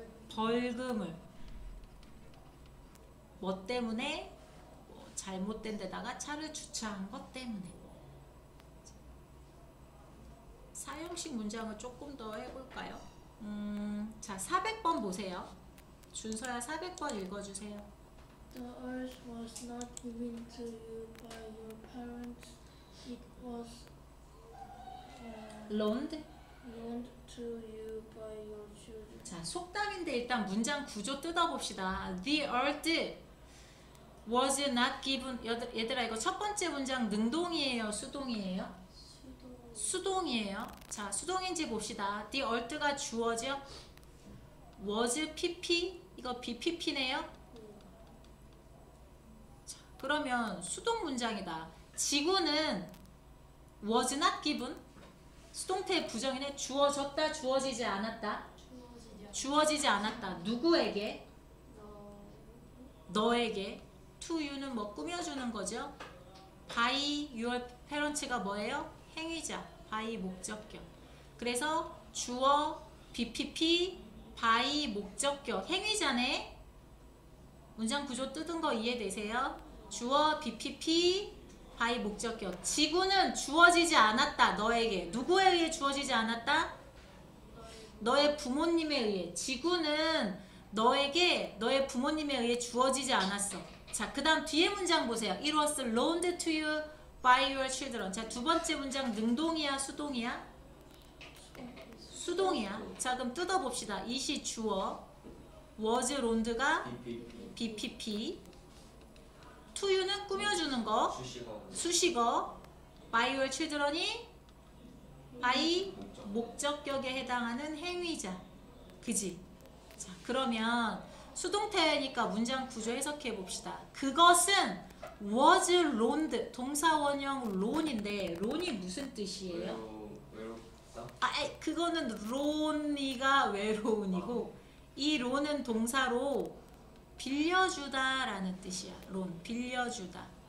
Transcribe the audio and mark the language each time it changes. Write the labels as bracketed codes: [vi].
[ko] 벌금을. 뭐 때문에? 잘못된 데다가 차를 주차한 것 때문에. 사형식 문장을 조금 더 해볼까요? 자, 400번 보세요. 준서야 400번 읽어주세요. [en] The earth was not given to you by your parents. It was loaned. Loaned to you by your children. [ko] 자, 속담인데 일단 문장 구조 뜯어 봅시다. [en] The earth was not given. [ko] 얘들아 이거 첫 번째 문장 능동이에요, 수동이에요? 수동이에요. 자, 수동인지 봅시다. [en] The earth [ko] 가 주어죠. Was PP? 이거 BPP네요. 자, 그러면 수동 문장이다. 지구는 [en] was not given. [ko] 수동태 부정이네. 주어졌다, 주어지지 않았다. 주어지지 않았다. 누구에게? 너에게. [en] To you [ko] 는 뭐 꾸며주는 거죠. [en] By your parents [ko] 가 뭐예요? 행위자. by 목적격. 그래서 주어 BPP by 목적격. 행위자네. 문장 구조 뜯은 거 이해되세요? 주어 BPP by 목적격. 지구는 주어지지 않았다. 너에게. 누구에 의해 주어지지 않았다? 너의 부모님에 의해. 지구는 너에게 너의 부모님에 의해 주어지지 않았어. 자, 그 다음 뒤에 문장 보세요. [en] It was loaned to you by your children. [ko] 자, 두 번째 문장 능동이야, 수동이야? 수동이야. 자, 그럼 뜯어봅시다. It이 주어, [en] was loaned [ko] 가 BPP, [en] to you [ko] 는 꾸며주는 거, 수식어, [en] by your children [ko] 이 by 목적격에 해당하는 행위자. 그지? 자, 그러면 수동태니까 문장 구조 해석해봅시다. 그것은 [en] was loaned. [ko] 동사 원형 loan인데 loan이 무슨 뜻이에요? 외롭다? 아, 그거는 loan이가 외로운이고 이 loan은 동사로 빌려주다 라는 뜻이야. loan, 빌려주다.